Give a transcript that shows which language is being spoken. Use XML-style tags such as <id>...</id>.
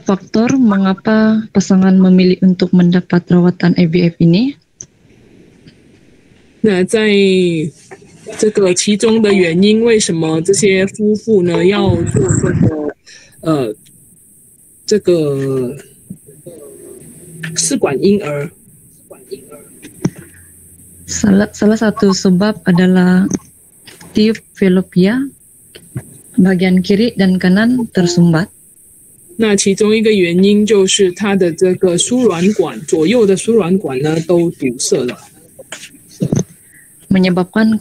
<ms>faktor mengapa pasangan memilih untuk mendapat rawatan IVF ini？</ms> <zh>那在这个其中的原因，为什么这些夫妇呢要做这个？试管婴儿。</zh> <ms>Salah satu sebab adalah tiup fallopia bagian kiri dan kanan tersumbat.</ms> <zh>那其中一个原因就是它的这个输卵管，左右的输卵管呢都堵塞了。</zh> <ms>Menyebabkan</ms>